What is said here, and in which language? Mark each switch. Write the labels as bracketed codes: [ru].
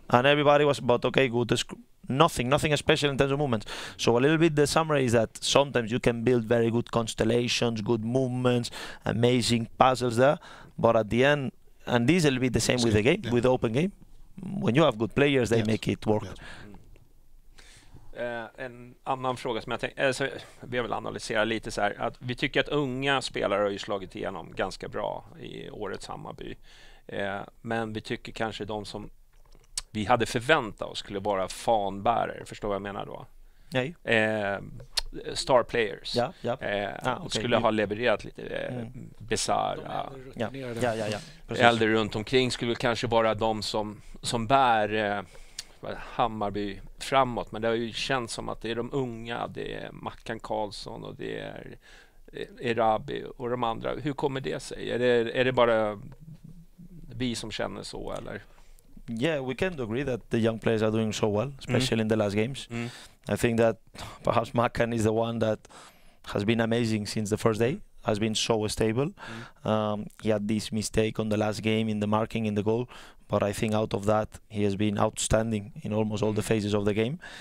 [en] And everybody was about, okay, good. Nothing special in terms of movements. So a little bit the summary is that sometimes you can build very good constellations, good movements, amazing puzzles there. But at the end, and this will be the same with the game, yeah, with open game. When you have good players, they make it work. [sv] En annan fråga som jag tänkte, alltså, vi har väl analyserat lite så här, att vi tycker att unga spelare har ju slagit igenom ganska bra i årets Hammarby. Men vi tycker kanske de som vi hade förväntat oss skulle vara fanbärare, förstår vad jag menar då? Nej. [en] Star players. [sv] Ja, ja. Okay. Skulle ha levererat lite bisarra. Ja. Äldre runt omkring skulle kanske vara de som bär Hammarby framåt, men det har ju känts som att det är de unga, det är Mackan Karlsson och det är Erabi och de andra. Hur kommer det sig? Är det bara vi som känner så, eller? [en] Yeah, we can agree that the young players are doing so well, especially in the last games. I think that perhaps Mackan is the one that has been amazing since the first day, has been so stable. He had this mistake on the last game in the marking, in the goal. But I think out of that, he has been outstanding in almost all the phases of the game.